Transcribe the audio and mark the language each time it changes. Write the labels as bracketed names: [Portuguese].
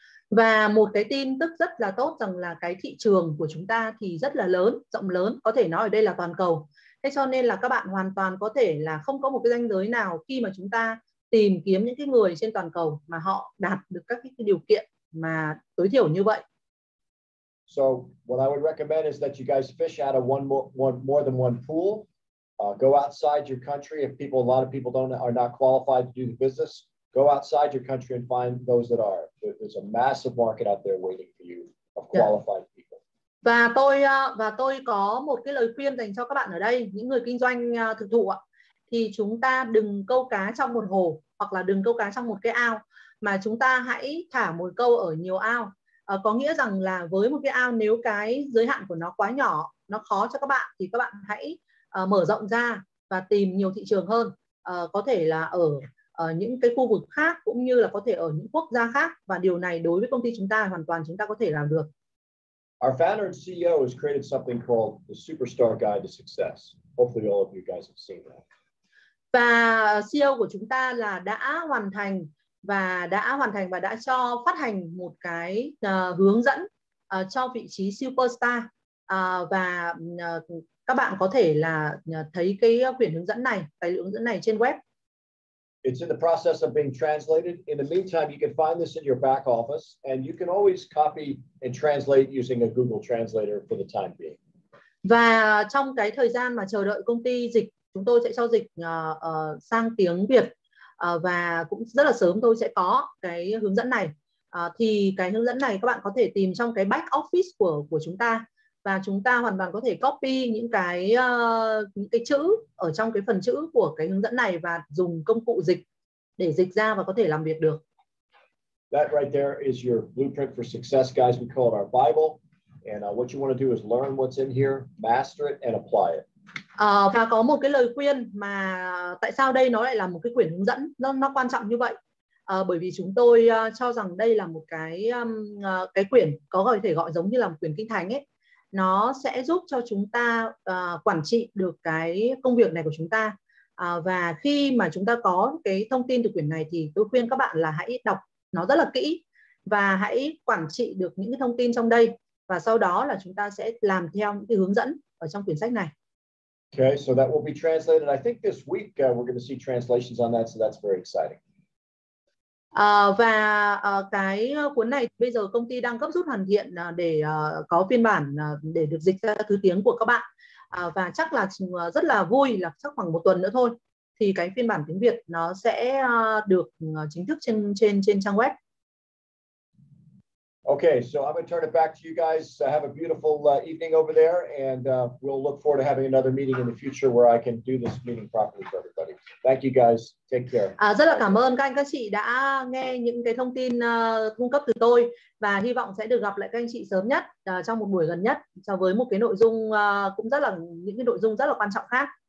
[Vietnamese] Và một cái tin tức rất là tốt rằng là cái thị trường của chúng ta thì rất là lớn, rộng lớn, có thể nói ở đây là toàn cầu. Thế cho nên là các bạn hoàn toàn có thể là không có một cái ranh giới nào khi mà chúng ta tìm kiếm những cái người trên toàn cầu mà họ đạt được các cái điều kiện mà tối thiểu như vậy. [English] So what I would recommend is that you guys fish out of more than one pool. Go outside your country. A lot of people are not qualified to do the business. Go outside your country and find those that are. There's a massive market out there waiting for you of qualified people. [Vietnamese] Và tôi có một cái lời khuyên dành cho các bạn ở đây, những người kinh doanh thực thụ ạ, thì chúng ta đừng câu cá trong một hồ hoặc là đừng câu cá trong một cái ao, mà chúng ta hãy thả mồi câu ở nhiều ao. Có nghĩa rằng là với một cái ao, nếu cái giới hạn của nó quá nhỏ, nó khó cho các bạn, thì các bạn hãy mở rộng ra và tìm nhiều thị trường hơn. Có thể là ở những cái khu vực khác, cũng như là có thể ở những quốc gia khác, và điều này đối với công ty chúng ta hoàn toàn chúng ta có thể làm được. [English] Our founder and CEO has created something called the Superstar Guide to Success. Hopefully all of you guys have seen that. [Vietnamese] Và CEO của chúng ta là đã hoàn thành và đã cho phát hành một cái hướng dẫn cho vị trí Superstar, và các bạn có thể là thấy cái quyển hướng dẫn này, tài liệu hướng dẫn này trên web. [English] It's in the process of being translated. In the meantime, you can find this in your back office and you can always copy and translate using a Google Translator for the time being. [Vietnamese] Và trong cái thời gian mà chờ đợi công ty dịch, chúng tôi sẽ cho dịch sang tiếng Việt, và cũng rất là sớm tôi sẽ có cái hướng dẫn này. Thì cái hướng dẫn này các bạn có thể tìm trong cái back office của chúng ta, và chúng ta hoàn toàn có thể copy những cái chữ ở trong cái phần chữ của cái hướng dẫn này và dùng công cụ dịch để dịch ra và có thể làm việc được. [English] That right there is your blueprint for success, guys. We call it our Bible. And what you want to do is learn what's in here, master it and apply it. [Vietnamese] Và có một cái lời khuyên mà tại sao đây nó lại là một cái quyển hướng dẫn nó quan trọng như vậy. Bởi vì chúng tôi cho rằng đây là một cái quyển có thể gọi giống như là một quyển kinh thánh ấy. nó sẽ giúp cho chúng ta quản trị được cái công việc này của chúng ta. Và khi mà chúng ta có cái thông tin từ quyển này thì tôi khuyên các bạn là hãy đọc nó rất là kỹ và hãy quản trị được những cái thông tin trong đây. Và sau đó là chúng ta sẽ làm theo những cái hướng dẫn ở trong quyển sách này. [English] Okay, so that will be translated. I think this week we're going to see translations on that, so that's very exciting. [Vietnamese] Và cái cuốn này bây giờ công ty đang gấp rút hoàn thiện để có phiên bản để được dịch ra thứ tiếng của các bạn. Và chắc là rất là vui là chắc khoảng một tuần nữa thôi thì cái phiên bản tiếng Việt nó sẽ được chính thức trên trang web. [English] Okay, so I'm going to turn it back to you guys. Have a beautiful evening over there, and we'll look forward to having another meeting in the future where I can do this meeting properly for everybody. Thank you guys. Take care. [Vietnamese] Rất là cảm ơn các anh chị đã nghe những cái thông tin cung cấp từ tôi và hy vọng sẽ được gặp lại các anh chị sớm nhất trong một buổi gần nhất so với một cái nội dung cũng rất là những cái nội dung rất là quan trọng khác.